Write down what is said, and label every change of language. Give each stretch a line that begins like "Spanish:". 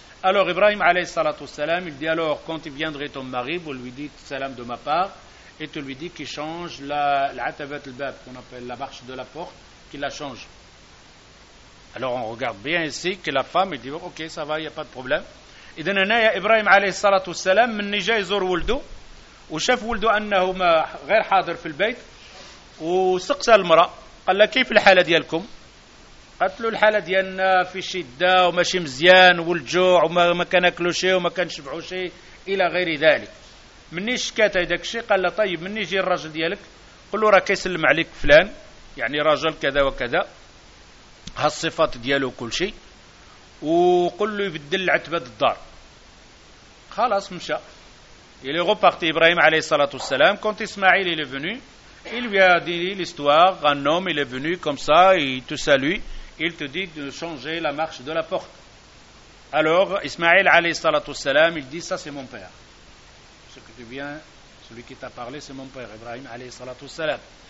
French: Alors Ibrahim alayhi salatu salam, il dit alors quand il viendrait ton mari, vous lui dites salam de ma part. Et tu lui dis qu'il change l'atavet al-bab, qu'on appelle la marche de la porte, qu'il la change. Alors on regarde bien ici que la femme, elle dit, ok, ça va, il n'y a pas de problème.
Arabic: إذن هنا يا إبراهيم عليه الصلاة والسلام من جاي يزور ولده وشاف ولده أنه ما غير حاضر في البيت وسقس المرأة قال له كيف الحالة ديالكم؟ قالت له الحالة ديالنا في شدة وماشي مزيان والجوع وما كان أكلو شيء وما كان شبعو شيء إلى غير ذلك. مني شكات هذاك الشيء قال له طيب مني يجي الرجل ديالك؟ قل له راه كيسلم عليك فلان يعني رجل كذا وكذا هالصفات دياله وكل شيء وقل له يبدل العتبة الدار. خلاص مشى
French: il est reparti Ibrahim alayhi salatu wassalam. Quand Ismaïl est venu, il lui a dit l'histoire, un homme il est venu comme ça, il te salue, il te dit de changer la marche de la porte. Alors Ismaïl alayhi salatu wassalam, il dit ça c'est mon père. Ce que tu viens, celui qui t'a parlé c'est mon père Ibrahim alayhi salatu wassalam.